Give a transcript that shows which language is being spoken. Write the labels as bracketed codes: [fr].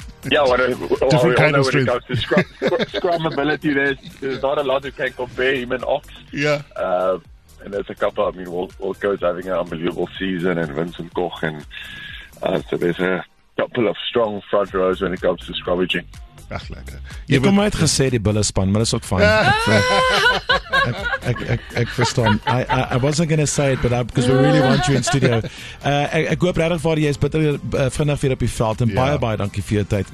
[en] Yeah, what a different kind of strength. Scrum ability, there's not a lot who can compare him and Ox. Yeah. And there's a couple, I mean, Wilco's having an unbelievable season, and Vincent Koch, and so there's a couple of strong front rows when it comes to scrummaging. [af] Ach, lekker. Jy kom uit gesê die bulle span, maar dis ook fyn. Ek verstaan. [en] I wasn't going to say it, but because we really want you in studio. [af] Ek hoop regtig vir jou is bitter vinnig weer op die veld en baie baie dankie vir jou tyd.